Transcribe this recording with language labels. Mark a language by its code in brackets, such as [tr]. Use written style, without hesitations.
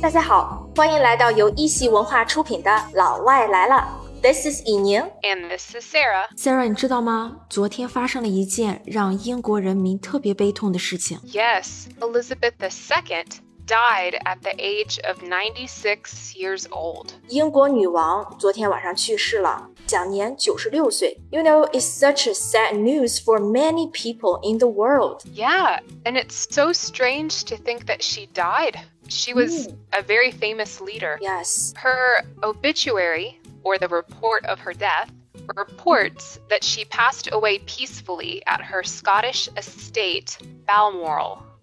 [zh] 大家好，欢迎来到由一席文化出品的《老外来了》。 [en] This is Yinying. And this is Sarah. [zh] Sarah, 你知道吗？昨天发生了一件让英国人民特别悲痛的事情。 [en] Yes, Elizabeth II died at the age of 96 years old. [zh] 英国女王昨天晚上去世了，享年96岁。 [en] You know, it's such a sad news for many people in the world. Yeah, and it's so strange to think that she died. She was a very famous leader. Yes. Her obituary... or the report of her death, reports that she passed away peacefully at her Scottish estate, Balmoral.